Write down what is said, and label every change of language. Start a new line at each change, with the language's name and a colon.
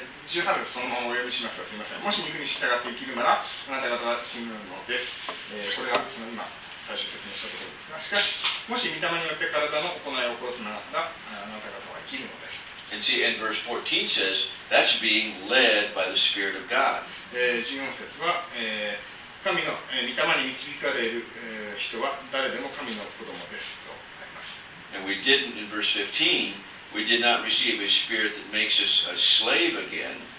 Japanese: 13節そのままお読みしますが、すみません。もし肉に従って生きるなら、あなた方は死ぬのです。これがその今、最初説明したところですが、しかし、もし御霊によって体の行いを殺すなら、あなた方は生きるのです。
English: And see, and verse 14 says, that's being led by the Spirit of God.
Japanese: 14節は、神の、御霊に導かれる、人は誰でも神の子供ですとあります。
English: And we didn't, in verse 15, we did not receive a spirit that makes us a slave again.